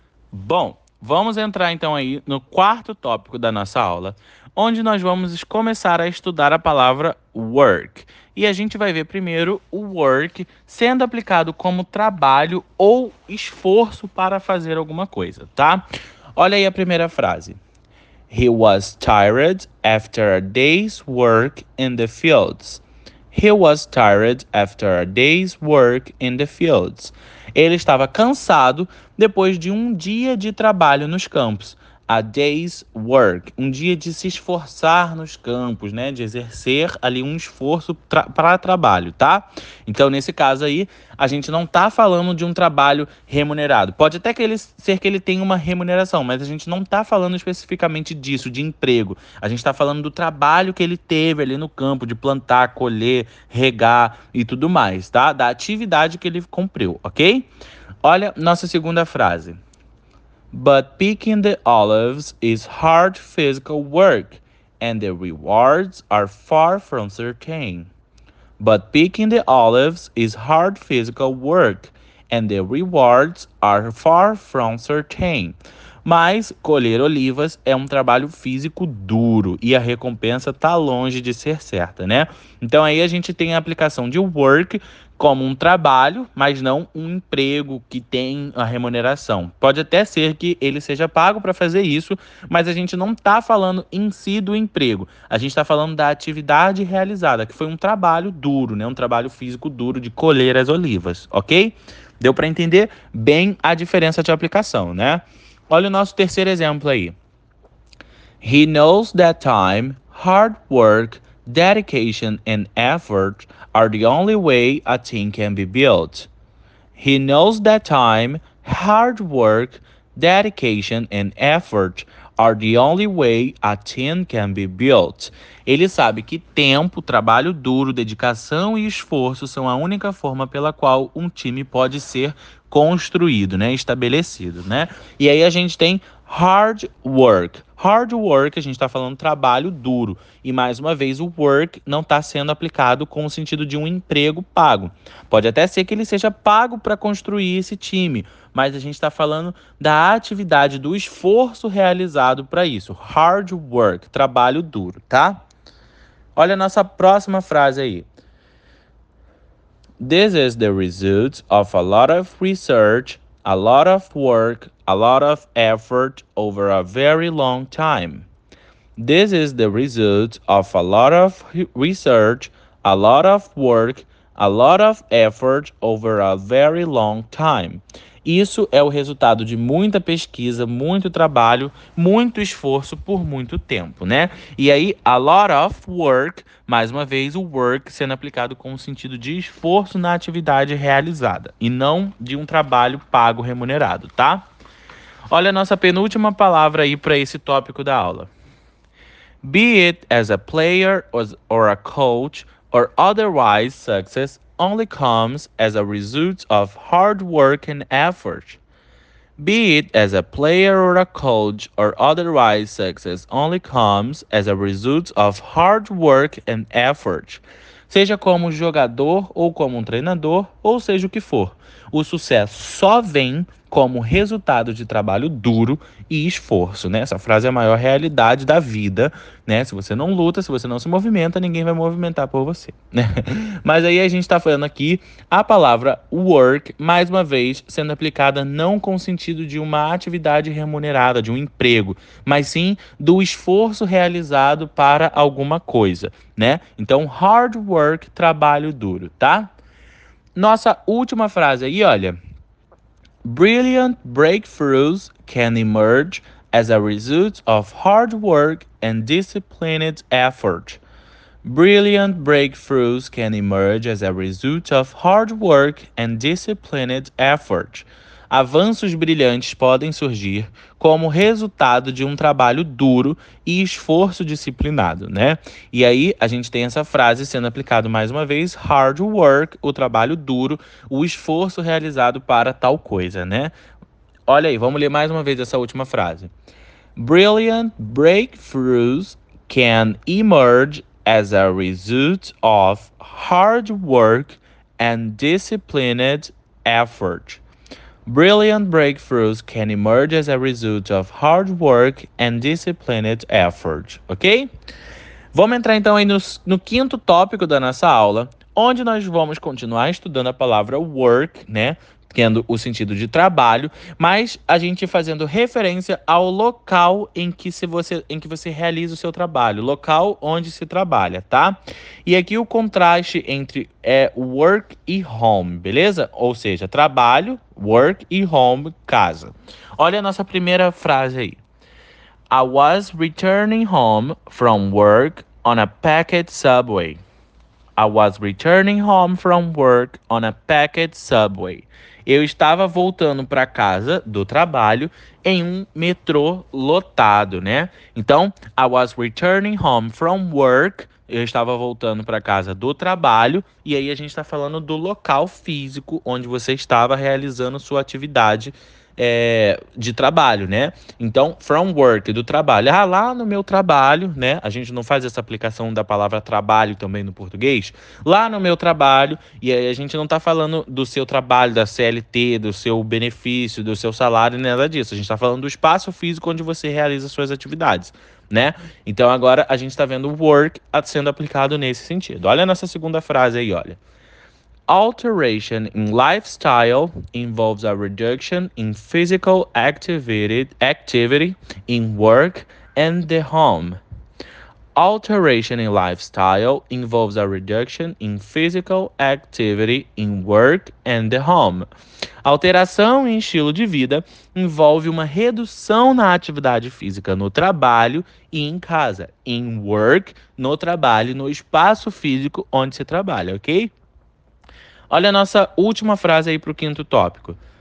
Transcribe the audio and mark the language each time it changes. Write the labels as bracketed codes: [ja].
[pt] Bom, vamos entrar então aí no quarto tópico da nossa aula, onde nós vamos começar a estudar a palavra work. E a gente vai ver primeiro o work sendo aplicado como trabalho ou esforço para fazer alguma coisa, tá? Olha aí a primeira frase. [en] He was tired after a day's work in the fields. He was tired after a day's work in the fields. [pt] Ele estava cansado depois de um dia de trabalho nos campos. [en] a day's work, [pt] um dia de se esforçar nos campos, né? De exercer ali um esforço para trabalho, tá? Então, nesse caso aí, a gente não tá falando de um trabalho remunerado. Pode até que ele ser que ele tenha uma remuneração, mas a gente não tá falando especificamente disso, de emprego. A gente tá falando do trabalho que ele teve ali no campo, de plantar, colher, regar e tudo mais, tá? Da atividade que ele cumpriu, ok? Olha nossa segunda frase. [en] But picking the olives is hard physical work, and the rewards are far from certain. But picking the olives is hard physical work, and the rewards are far from certain. [pt] Mas colher olivas é um trabalho físico duro e a recompensa está longe de ser certa, né? Então aí a gente tem a aplicação de work como um trabalho, mas não um emprego que tem a remuneração. Pode até ser que ele seja pago para fazer isso, mas a gente não está falando em si do emprego. A gente está falando da atividade realizada, que foi um trabalho duro, né? Um trabalho físico duro de colher as olivas, ok? Deu para entender bem a diferença de aplicação, né? Olha o nosso terceiro exemplo aí. [en] He knows that time, hard work, dedication and effort are the only way a team can be built. He knows that time, hard work, dedication and effort are the only way a team can be built. [pt] Ele sabe que tempo, trabalho duro, dedicação e esforço são a única forma pela qual um time pode ser construído, né? Estabelecido, né? E aí a gente tem [en] hard work. Hard work, [pt] a gente está falando trabalho duro. E mais uma vez, o work não está sendo aplicado com o sentido de um emprego pago. Pode até ser que ele seja pago para construir esse time, mas a gente está falando da atividade, do esforço realizado para isso. [en] Hard work, [pt] trabalho duro, tá? Olha a nossa próxima frase aí. [en] This is the result of a lot of research, a lot of work, a lot of effort over a very long time. This is the result of a lot of research, a lot of work, a lot of effort over a very long time. [pt] Isso é o resultado de muita pesquisa, muito trabalho, muito esforço por muito tempo, né? E aí, [en] a lot of work, [pt] mais uma vez, o work sendo aplicado com o sentido de esforço na atividade realizada e não de um trabalho pago remunerado, tá? Olha a nossa penúltima palavra aí para esse tópico da aula. [en] Be it as a player or a coach or otherwise success only comes as a result of hard work and effort. Be it as a player or a coach or otherwise success only comes as a result of hard work and effort. [pt] Seja como jogador ou como um treinador, ou seja o que for, o sucesso só vem como resultado de trabalho duro e esforço, né? Essa frase é a maior realidade da vida, né? Se você não luta, se você não se movimenta, ninguém vai movimentar por você, né? Mas aí a gente está falando aqui a palavra work, mais uma vez, sendo aplicada não com o sentido de uma atividade remunerada, de um emprego, mas sim do esforço realizado para alguma coisa, né? Então, [en] hard work, [pt] trabalho duro, tá? Nossa última frase aí, olha. [en] Brilliant breakthroughs can emerge as a result of hard work and disciplined effort. Brilliant breakthroughs can emerge as a result of hard work and disciplined effort. [pt] Avanços brilhantes podem surgir como resultado de um trabalho duro e esforço disciplinado, né? E aí a gente tem essa frase sendo aplicada mais uma vez: [en] hard work, [pt] o trabalho duro, o esforço realizado para tal coisa, né? Olha aí, vamos ler mais uma vez essa última frase. [en] Brilliant breakthroughs can emerge as a result of hard work and disciplined effort. Brilliant breakthroughs can emerge as a result of hard work and disciplined effort, ok? [pt] Vamos entrar então aí no quinto tópico da nossa aula, onde nós vamos continuar estudando a palavra work, né? Tendo o sentido de trabalho, mas a gente fazendo referência ao local em que você realiza o seu trabalho, local onde se trabalha, tá? E aqui o contraste entre work e home, beleza? Ou seja, trabalho, work e home, casa. Olha a nossa primeira frase aí. [en] I was returning home from work on a packed subway. I was returning home from work on a packed subway. [pt] Eu estava voltando para casa do trabalho em um metrô lotado, né? Então, [en] I was returning home from work. [pt] Eu estava voltando para casa do trabalho. E aí a gente está falando do local físico onde você estava realizando sua atividade de trabalho, né? Então, [en] from work, [pt] do trabalho. Ah, lá no meu trabalho, né? A gente não faz essa aplicação da palavra trabalho também no português? Lá no meu trabalho, e aí a gente não tá falando do seu trabalho, da CLT, do seu benefício, do seu salário, nada disso. A gente tá falando do espaço físico onde você realiza suas atividades, né? Então, agora a gente tá vendo work sendo aplicado nesse sentido. Olha nessa segunda frase aí, olha. [en] Alteration in lifestyle involves a reduction in physical activity in work and the home. Alteration in lifestyle involves a reduction in physical activity in work and the home. [pt] Alteração em estilo de vida envolve uma redução na atividade física no trabalho e em casa. [en] In work, [pt] no trabalho, no espaço físico onde se trabalha, ok? Olha a nossa última frase aí para o quinto tópico.